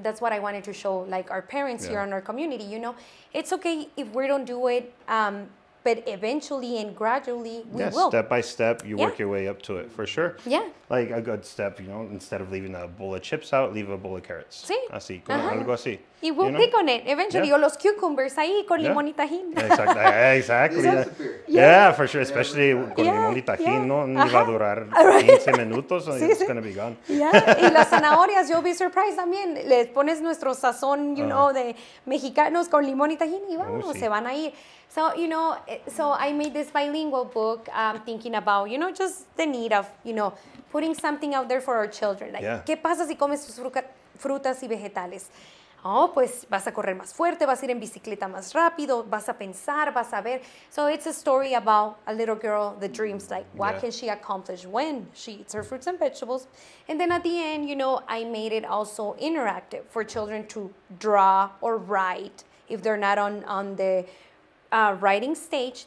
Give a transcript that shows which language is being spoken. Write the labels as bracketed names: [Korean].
[English] That's what I wanted to show, like, our parents here in our community, you know. It's okay if we don't do it, but eventually and gradually, we will. Step by step, you work your way up to it, for sure. Yeah. Like, a good step, you know, instead of leaving a bowl of chips out, leave a bowl of carrots. [Spanish] Sí. Así, con algo así. [English] Y we'll pick on it, eventually. [Spanish] Yeah. O los cucumbers ahí, con limón y tajín. [English] Exactly. Yeah, for sure, especially [Spanish] con limón y tajín, no iba a durar 15 minutos, [English] and it's going to be gone. [Spanish] Yeah, y las zanahorias, [English] you'll be surprised [Spanish] también. Les pones nuestro sazón, [English] you know, [Spanish] de mexicanos con limón y tajín, y vamos, se van a ir. [English] So, you know, so I made this bilingual book thinking about, you know, just the need of, you know, putting something out there for our children. [Spanish] Like, ¿qué pasa si comes tus frutas y vegetales? Oh, pues vas a correr más fuerte, vas a ir en bicicleta más rápido, vas a pensar, vas a ver. [English] So it's a story about a little girl, the dreams, like, what can she accomplish when she eats her fruits and vegetables? And then at the end, you know, I made it also interactive for children to draw or write if they're not on the writing stage.